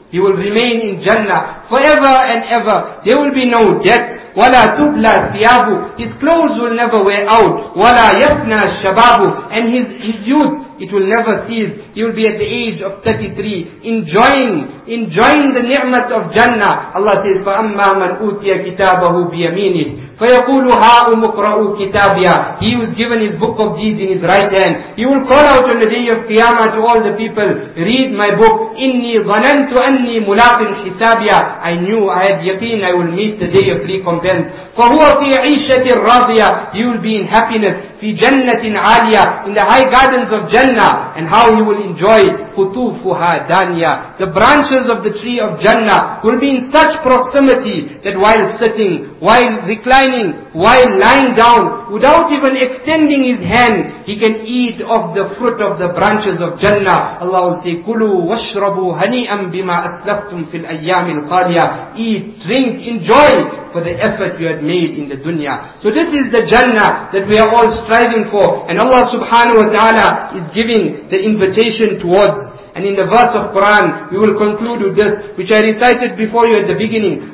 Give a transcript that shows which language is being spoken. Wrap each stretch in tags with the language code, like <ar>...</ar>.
<en>He will remain in Jannah forever and ever. There will be no death.</en> <ar>وَلَا تُبْلَى ثِيَابُ.</ar> <en>His clothes will never wear out.</en> <ar>وَلَا يَفْنَى الشَّبَابُ.</ar> <en>And his youth it will never cease. He will be at the age of 33, enjoying the ni'mat of Jannah. Allah says,</en> <ar>فَأَمَّا مَنْ أُوْتِيَ كِتَابَهُ بِيَمِينِهِ فَيَقُولُ هَا أُمُقْرَأُ كِتَابِيَا.</ar> <en>He was given his book of deeds in his right hand. He will call out on the day of Qiyamah to all the people, read my book.</en> <ar>إِنِّي ظَنَنْتُ أَنِّي مُلَاقٍ حِسَابِيَا.</ar> <en>I knew, I had yaqeen, I will meet the day of recompense.</en> <ar>فَهُوَ فِي عِيشَةٍ رَاضِيَةٍ.</ar> <en>He will be in happiness.</en> <ar>فِي جَنَّةٍ عَالِيَةٍ.</ar> <en>In the high gardens of Jannah. And how he will enjoy</en> <ar>قُطُوفُهَا دَانِيَةٍ.</ar> <en>The branches of the tree of Jannah will be in such proximity that while sitting, while reclining, while lying down, without even extending his hand, he can eat of the fruit of the branches of Jannah. Allah will say,</en> <ar>كُلُوا وَاشْرَبُوا هَنِيئًا بِمَا أَسْلَفْتُمْ فِي الْأَيَّامِ الْقَالِيَةِ.</ar> <en>Eat, drink, enjoy for the effort you had made in the dunya. So this is the Jannah that we are all striving for. And Allah subhanahu wa ta'ala is giving the invitation towards. And in the verse of Quran, we will conclude with this, which I recited before you at the beginning.</en>